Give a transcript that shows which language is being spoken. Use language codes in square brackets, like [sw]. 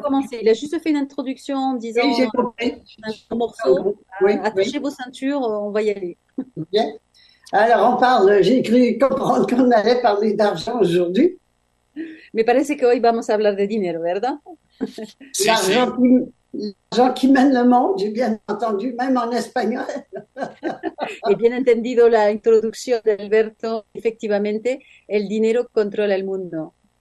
[fr] commencer. Il a juste fait une introduction en disant oui, j'ai compris. Un morceau. Oui, attachez vos ceintures, on va y aller. Bien. Alors, on parle, j'ai cru comprendre qu'on allait parler d'argent aujourd'hui. [es] Me parece que hoy vamos a hablar de dinero, ¿verdad? Sí, l'argent, sí. [fr] L'argent qui mène le monde, j'ai bien entendu, même en espagnol. [es] Y bien entendido la introducción de Alberto, efectivamente, el dinero controla el mundo.